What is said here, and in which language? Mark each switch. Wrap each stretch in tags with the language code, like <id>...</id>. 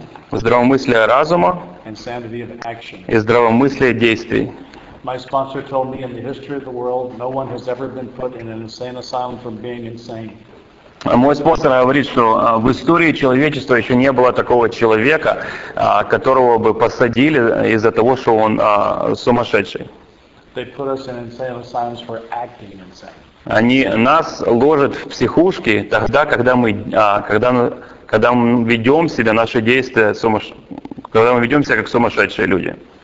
<ru>Здравомыслие разума и здравомыслие действий.</ru> <en>My sponsor told me in the history of the world, no one has ever been put in an insane asylum from being insane.</en> <ru>Мой спонсор говорит, что в истории человечества еще не было такого человека, которого бы посадили из-за того, что он сумасшедший.</ru> <en>They put us in insane asylums for acting insane.</en> <ru>Они нас ложат в психушки тогда, когда мы, когда мы ведем себя, наши действия, когда мы ведем себя как сумасшедшие люди.</ru>